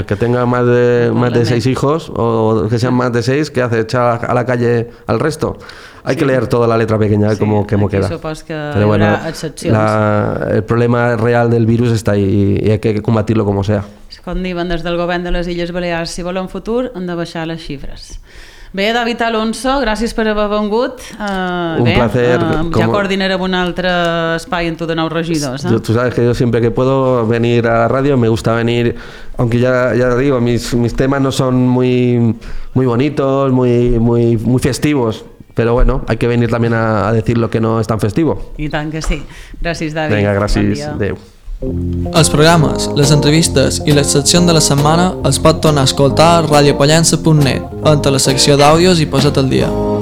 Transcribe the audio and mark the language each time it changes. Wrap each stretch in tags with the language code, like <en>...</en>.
<es>El que tenga más de 6 hijos, o que sean más de 6, ¿qué hace? ¿Echar a la calle al resto? Hay sí. que leer toda la letra pequeña, sí, cómo queda.</es> <ca>Supos que Pero bueno, hi haurà excepcions.</ca> <es>El problema real del virus está ahí y hay que combatirlo como sea.</es> <ca>Com diuen des del govern de les Illes Balears, si volen futur, han de baixar les xifres. Bé, David Alonso, gràcies per haver vengut.</ca> <es>Un placer.</es> <ca>Ja coordinarem un altre espai en tu de nou regidors.</ca> <es>Tu sabes que yo siempre que puedo venir a la radio, me gusta venir, aunque ya te digo, mis temas no son muy, muy bonitos, muy, muy, muy festivos, pero bueno, hay que venir también a decir lo que no es tan festivo.</es> <ca>I tant que sí. Gràcies, David. Venga, gràcies. Adéu. Els programes, les entrevistes i les seccions de la setmana els pot tornar a escoltar a radiopollença.net entre la secció d'àudios i posat al dia.</ca>